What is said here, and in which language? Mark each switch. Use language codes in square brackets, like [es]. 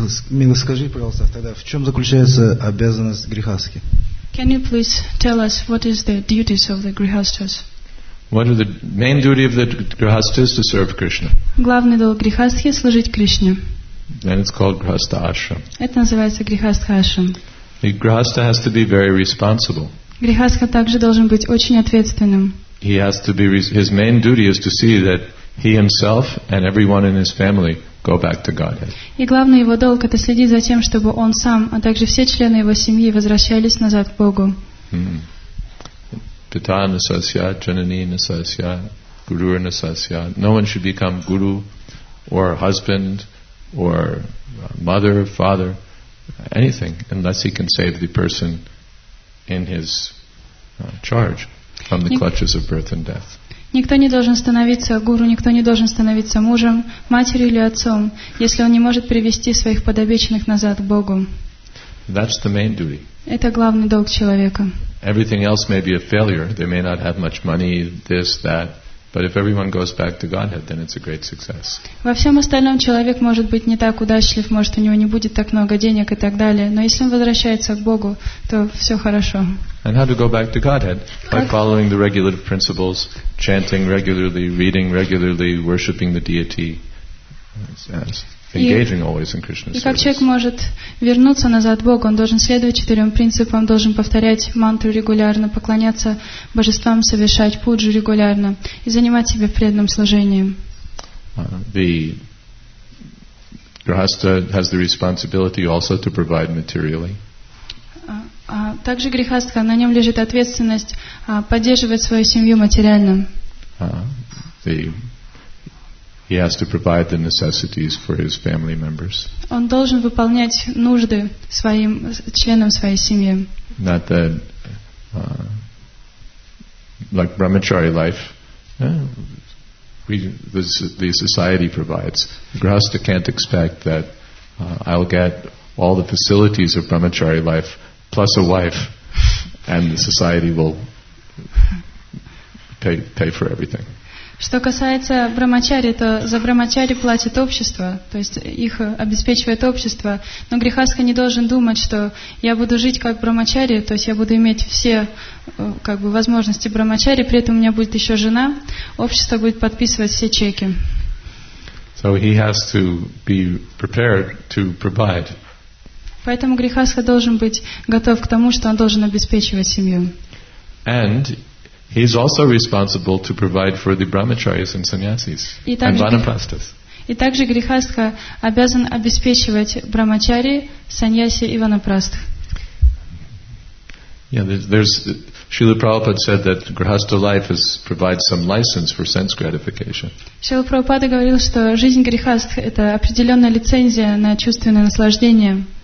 [ru] Мила, скажи, пожалуйста, тогда в чем заключается обязанность грихастхи? [en] Can you please tell us what is the duties of the grihasthas? What are the main duty of the grihasthas to serve Krishna? [ru] Главный долг грихастхи — служить Кришне. [en] And it's called grihastha ashram. [ru] Это называется грихастха ашрам. [en] The grihastha has to be very responsible. [ru] Грихастха также должен быть очень ответственным. [en] He has to be. His main duty is to see that he himself and everyone in his family go back to Godhead. [ru] И главный его долг — это следить за тем, чтобы он сам, а также все члены его семьи возвращались назад к Богу. [sa] Pita nasasya, janani nasasya, guru nasasya. [en] No one should become guru or husband or mother, father, anything, unless he can save the person in his charge from the clutches of birth and death. [ru] Никто не должен становиться гуру, никто не должен становиться мужем, матерью или отцом, если он не может привести своих подопечных назад к Богу. [en] That's the main duty. [ru] Это главный долг человека. [en] Everything else may be a failure. They may not have much money, this, that. But if everyone goes back to Godhead, then it's a great success. [ru] Во всем остальном человек может быть не так удачлив, может у него не будет так много денег и так далее. Но если он возвращается к Богу, то все хорошо. [en] And how to go back to Godhead? By following the regulative principles, chanting regularly, reading regularly, worshiping the deity. Yes. Engaging always in Krishna's service. [ru] И как человек может вернуться назад к Богу? Он должен следовать четырем принципам, должен повторять мантру регулярно, поклоняться божествам, совершать пуджу регулярно и занимать себя преданным служением. [en] The grihastha has the responsibility also to provide materially. [ru] Также грихастха, на нем лежит ответственность поддерживать свою семью материально. [en] He has to provide the necessities for his family members. [ru] Он должен выполнять нужды своим членам своей семьи. [en] Not that, like brahmachari life, the society provides. Grihastha can't expect that I'll get all the facilities of brahmachari life plus a wife and the society will pay for everything. [ru] Что касается брамачари, то за брамачари платит общество, то есть их обеспечивает общество. Но грехастха не должен думать, что я буду жить как брамачари, то есть я буду иметь все как бы возможности брамачари, при этом у меня будет еще жена, общество будет подписывать все чеки. [en] So he has to be prepared to provide. [ru] Поэтому грехастха должен быть готов к тому, что он должен обеспечивать семью. [en] And he's also responsible to provide for the brahmacharis and sannyasis and vanaprasthas. [ru] И также грихастха обязан обеспечивать брамачари, саньяси и ванапрастх. [en] Yeah, there's Srila Prabhupada said that grihastha life is provides some license for sense gratification. [ru] Srila Prabhupada говорил, что жизнь грихастх это определенная лицензия на чувственное наслаждение.